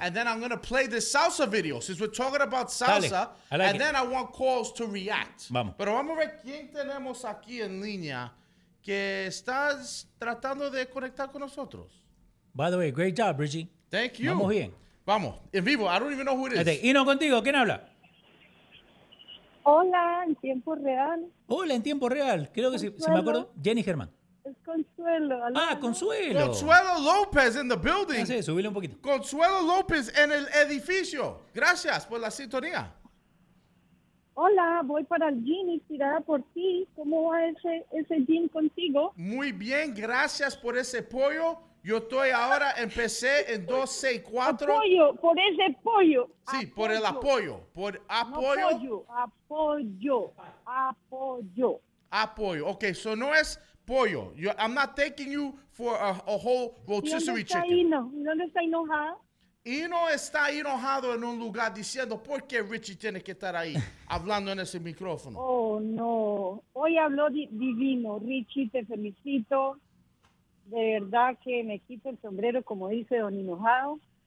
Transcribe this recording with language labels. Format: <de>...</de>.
<en>And then I'm going to play this salsa video, since we're talking about salsa.</en> <es>Dale, like</es> <en>and it. Then I want calls to react.</en> <es>Vamos. Pero vamos a ver quién tenemos aquí en línea que estás tratando de conectar con nosotros.</es> <en>By the way, great job, Bridgie. Thank you.</en> <es>Vamos bien. Vamos, en vivo,</es> <en>I don't even know who it is.</en> <es>Y no contigo, ¿quién habla? Hola, en tiempo real. Hola, en tiempo real, creo que Consuelo. Si me acuerdo, Jenny Germán. Es Consuelo. Ah, Consuelo.</es> <en>Consuelo López in the building.</en> <es>Sí, subile un poquito. Consuelo López en el edificio. Gracias por la sintonía. Hola, voy para el gym inspirada por ti. ¿Cómo va ese gym contigo? Muy bien, gracias por ese apoyo. Yo estoy ahora, empecé en 264. Apoyo, por ese pollo. Sí, apoyo. Por el apoyo. Por apoyo. No, apoyo. Apoyo. Ok, so no es pollo.</es> <en>I'm not taking you for a whole rotisserie chicken.</en> <es>¿Y dónde está Hino? ¿Y dónde está enojado? Hino está enojado en un lugar diciendo, ¿por qué Richie tiene que estar ahí hablando en ese micrófono? Oh, no. Hoy habló divino. Richie, te felicito. De verdad que me quito el sombrero, como dice Don Hinojado.</es>